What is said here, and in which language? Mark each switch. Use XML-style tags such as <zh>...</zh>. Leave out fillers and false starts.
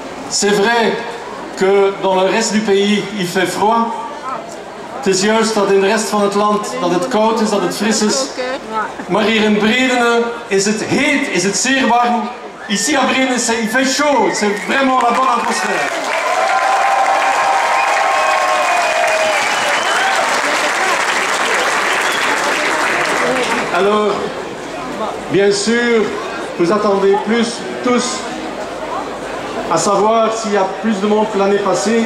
<fr>C'est vrai que dans le reste du pays, il fait froid.</fr> <nl>Het is juist dat in de rest van het land dat het koud is, dat het fris is. Maar hier in Bredene is het heet, is het zeer warm.</nl> <fr>Ici à Bredene, c'est, il fait chaud. C'est vraiment la bonne atmosphère. Alors, bien sûr, vous attendez plus, tous, à savoir s'il y a plus de monde que l'année passée.</fr>